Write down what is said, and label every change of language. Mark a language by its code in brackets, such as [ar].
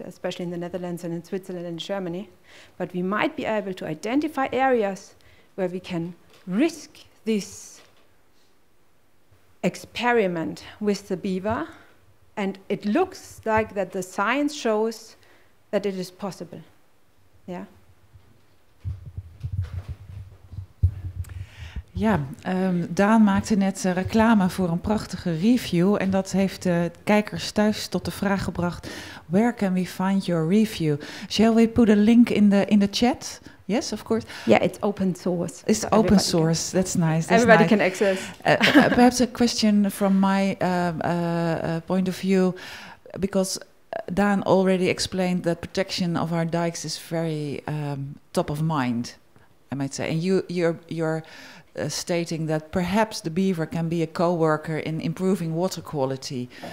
[en] Especially in the Netherlands and in Switzerland and Germany. But we might be able to identify areas where we can risk this experiment with the beaver. And it looks like that the science shows that it is possible. Yeah? [nl] Ja, Daan maakte net reclame voor een prachtige review en dat heeft de kijkers thuis tot de vraag gebracht: [en] where can we find your review? Shall we put a link in the chat? Yes, of course. Yeah, it's open source. It's so open source. That's nice. That's everybody Can access. perhaps a question from my point of view, because Daan already explained that protection of our dikes is very top of mind, I might say, and you're stating that perhaps the beaver can be a co-worker in improving water quality.